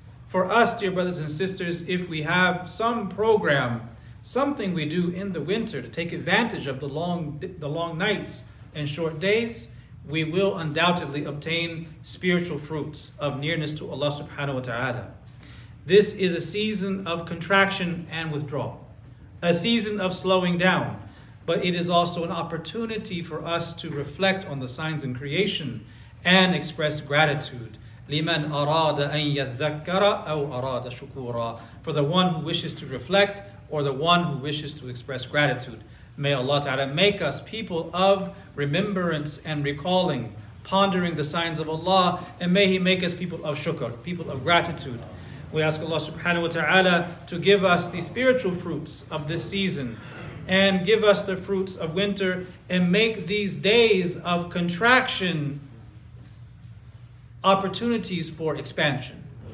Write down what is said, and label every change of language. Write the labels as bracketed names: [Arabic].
[English] For us, dear brothers and sisters, if we have some program, something we do in the winter to take advantage of the long nights and short days, we will undoubtedly obtain spiritual fruits of nearness to Allah subhanahu wa ta'ala. This is a season of contraction and withdrawal, a season of slowing down, but it is also an opportunity for us to reflect on the signs in creation and express gratitude. [Arabic] لِمَنْ أَرَادَ أَنْ يَذَّكَّرَ أَوْ أَرَادَ شُكُورًا. [English] For the one who wishes to reflect, or the one who wishes to express gratitude. May Allah Ta'ala make us people of remembrance and recalling, pondering the signs of Allah, and may He make us people of shukr, people of gratitude. We ask Allah Subhanahu Wa Ta'ala to give us the spiritual fruits of this season, and give us the fruits of winter, and make these days of contraction opportunities for expansion.